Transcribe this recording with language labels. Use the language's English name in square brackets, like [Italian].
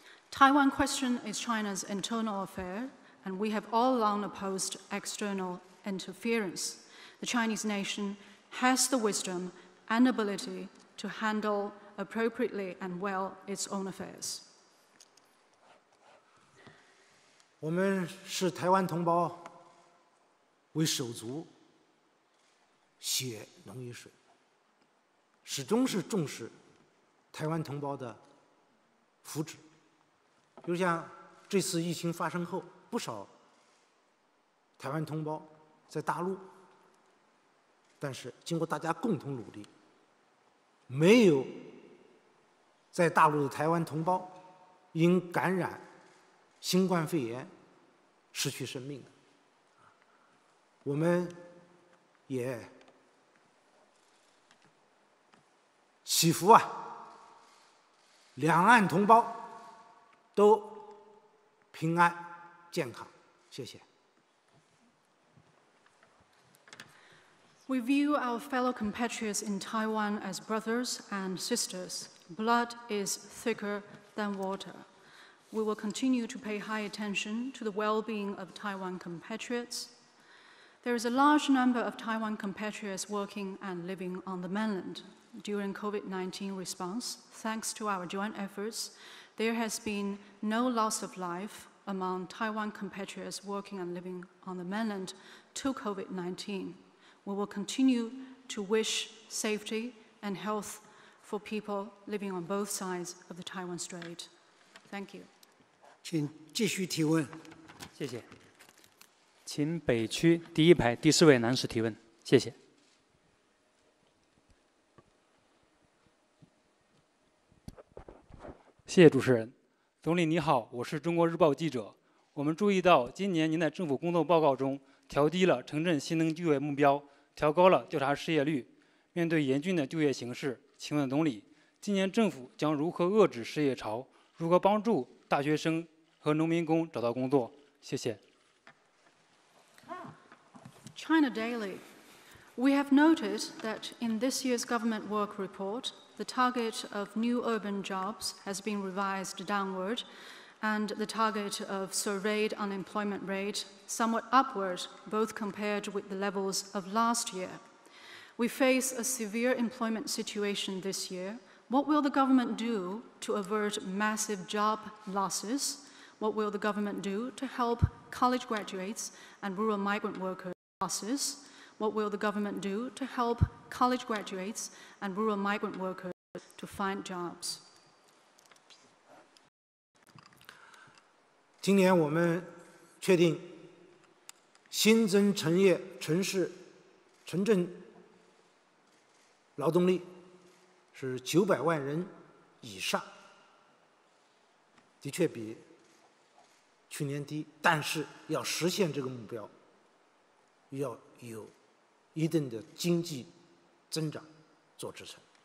[English] Taiwan question is China's internal affair, and we have all long opposed external interference. The Chinese nation has the wisdom and ability to handle appropriately and well its own affairs. [Chinese] 我们是台湾同胞为手足血浓于水，始终是重视台湾同胞的福祉。就像这次疫情发生后，不少台湾同胞在大陆，但是经过大家共同努力，没有在大陆的台湾同胞因感染新冠肺炎失去生命的。我们也祈福啊，两岸同胞都平安健康，谢谢。 [English] We view our fellow compatriots in Taiwan as brothers and sisters. Blood is thicker than water. We will continue to pay high attention to the well-being of Taiwan compatriots. There is a large number of Taiwan compatriots working and living on the mainland. During COVID-19 response, thanks to our joint efforts, there has been no loss of life among Taiwan compatriots working and living on the mainland to COVID-19. We will continue to wish safety and health for people living on both sides of the Taiwan Strait. Thank you. [Chinese] 请继续提问。谢谢。请北区第一排第四位男士提问。谢谢。谢谢主持人。总理你好，我是中国日报记者。我们注意到今年您在政府工作报告中调低了城镇新增就业目标，调高了调查失业率。面对严峻的就业形势，请问总理，今年政府将如何遏制失业潮，如何帮助大学生和农民工找到工作？谢谢。 [English] China Daily. We have noted that in this year's government work report, the target of new urban jobs has been revised downward, and the target of surveyed unemployment rate somewhat upward, both compared with the levels of last year. We face a severe employment situation this year. What will the government do to avert massive job losses? What will the government do to help college graduates and rural migrant workers? Losses? What will the government do to help college graduates and rural migrant workers to find jobs? [Chinese] 今年我们确定新增城业城市城镇劳动力是900万人以上，的确比去年低，但是要实现这个目标要有一定的经济增长做支撑。